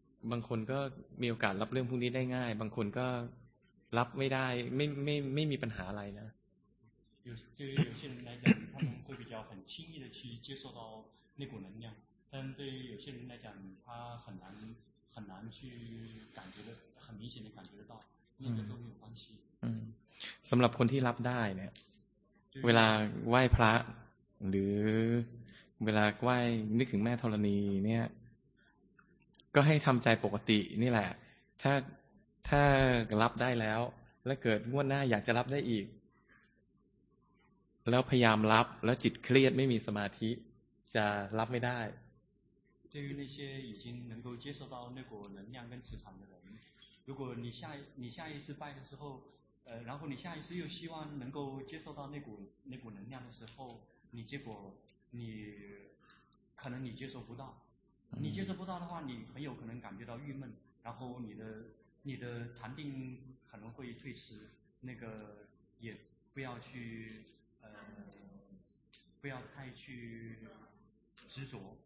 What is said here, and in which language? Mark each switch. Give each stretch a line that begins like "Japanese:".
Thai: บางคนก็มีโอกาสรับเรื่องพวกนี้ได้ง่ายบางคนก็รับไม่ได้ไม่มีปัญหาอะไรนะ
Chinese: 有些人来讲他们会比较很轻易的去接受到那股能量但对于有些人来讲他很难去感觉的很明显的感觉得到那个都没有关系
Thai: สำหรับคนที่รับได้เนี่ยเวลาไหว้พระหรือเวลาไหว้นึกถึงแม่ธรณีเนี่ยก็ให้ทำใจปกตินี่แหละถ้ารับได้แล้วและเกิดงวดหน้าอยากจะรับได้อีกแล้วพยายามรับแล้วจิตเครียดไม่มีสมาธิจะรับไม่ได้
Chinese: 对于那些已经能够接受到那股能量跟磁场的人如果你下一次拜的时候然后你下一次又希望能够接受到那股能量的时候你结果你可能你接受不到你接受不到的话你很有可能感觉到郁闷然后你的禅定可能会退失那个也不要去不要太去执着